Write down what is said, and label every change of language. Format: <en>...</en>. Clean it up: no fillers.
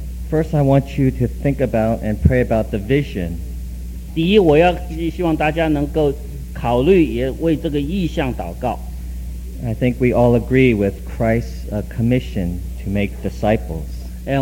<en>First, I want you to think about and pray about the vision.</en> <zh>第一，我要希望大家能够考虑也为这个意向祷告。</zh> <en>I think we all agree with Christ's commission to make disciples.</en>